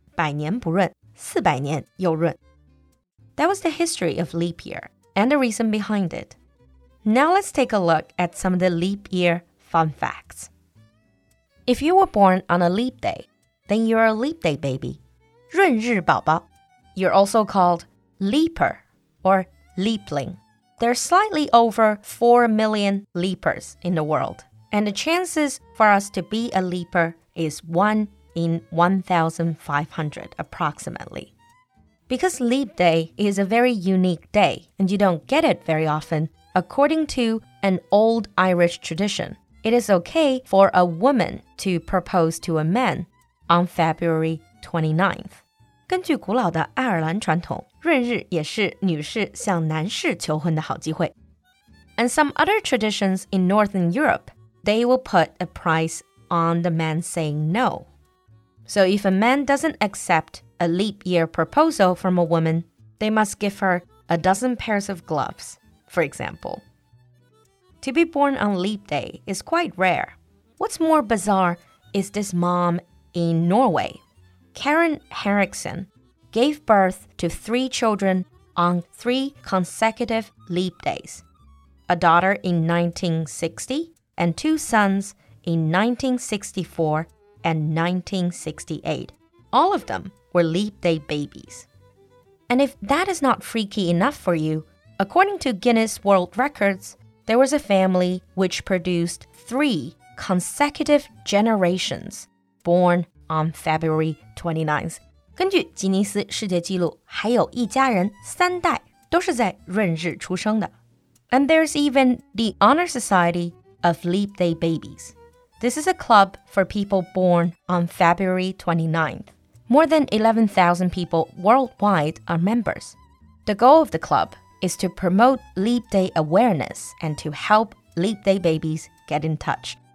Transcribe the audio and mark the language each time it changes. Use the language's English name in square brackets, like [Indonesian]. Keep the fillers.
[Chinese] 中文里我们会说四年一闰，百年不闰，四百年又闰。 [English] That was the history of leap year and the reason behind it. Now let's take a look at some of the leap year fun facts. If you were born on a leap day, then you're a leap day baby. [Chinese] 闰日宝宝. [English] You're also called leaper or leapling. There are slightly over 4 million leapers in the world, and the chances for us to be a leaper is 1 in 1500 approximately. Because Leap Day is a very unique day and you don't get it very often, according to an old Irish tradition, it is okay for a woman to propose to a man on February 29th. [Chinese] 根据古老的爱尔兰传统，闰日也是女士向男士求婚的好机会。 [English] And some other traditions in Northern Europe, they will put a price on the man saying no. So if a man doesn't accept a leap year proposal from a woman, they must give her a dozen pairs of gloves, for example. To be born on leap day is quite rare. What's more bizarre is this mom in Norway, Karen Henriksen, gave birth to three children on three consecutive leap days a daughter in 1960 and two sons in 1964 and 1968. All of them were leap day babies. And if that is not freaky enough for you, according to Guinness World Records, there was a family which produced three consecutive generations born on February 29th. [Chinese] 根据吉尼斯世界纪录，还有一家人三代都是在闰日出生的。 [English] And there's even the Honor Society of Leap Day Babies. This is a club for people born on February 29th. More than 11,000 people worldwide are members. The goal of the club is to promote Leap Day awareness and to help Leap Day babies get in touch.